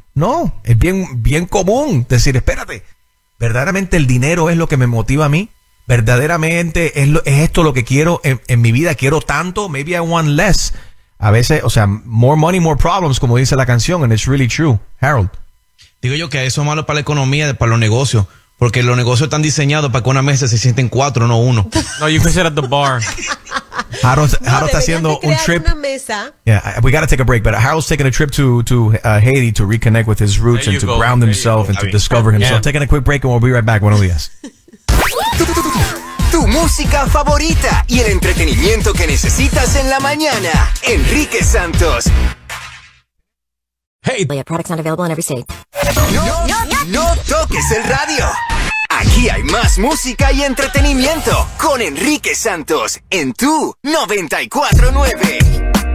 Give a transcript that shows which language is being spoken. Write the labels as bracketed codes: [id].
[es] No, es bien, bien común decir, espérate, verdaderamente el dinero es lo que me motiva a mí, verdaderamente es esto lo que quiero en mi vida, quiero tanto, [en] maybe I want less. [es] A veces, o sea, [en] more money, more problems, [es] como dice la canción, [en] and it's really true, [es] Harold. Digo yo que eso es malo para la economía, para los negocios, porque los negocios están diseñados para que una mesa se sienten cuatro, no uno. [en] No, you can sit at the bar. [es] Harold está haciendo un trip. Una mesa. [en] Yeah, we got to take a break, but Harold's taking a trip to Haiti to reconnect with his roots and to ground himself and to discover himself. Taking a quick break and we'll be right back. [es] Buenos días. Tu música favorita y el entretenimiento que necesitas en la mañana. Enrique Santos. [en] Hey, but your product's not available in every state. [es] No toques el radio. Aquí hay más música y entretenimiento con Enrique Santos en tu 94.9.